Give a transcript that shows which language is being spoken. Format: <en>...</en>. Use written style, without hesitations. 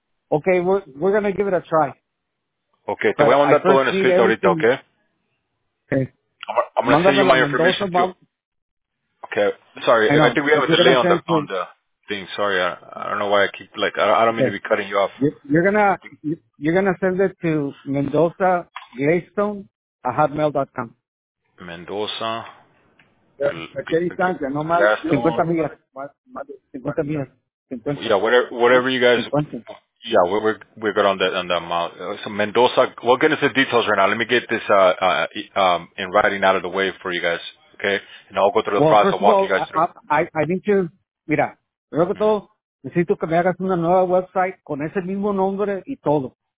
<en>Ok, we're going to give it a try.</en> <es>Ok, te voy a mandar todo en escrito ahorita, ok.</es> <en>I'm going to send you my information. Okay. Sorry. I think we have a delay on the thing. Sorry. I don't know why I keep, like, I don't mean to be cutting you off. You're going to send it to mendozaglaystone@hotmail.com. Mendoza. Yeah, whatever you guys. Yeah, we're good on that amount. So Mendoza, we'll get into the details right now. Let me get this in writing out of the way for you guys, okay? And I'll go through the process.</en> <es>Mira, primero que todo, necesito que me hagas una nueva website con ese mismo nombre y todo.</es>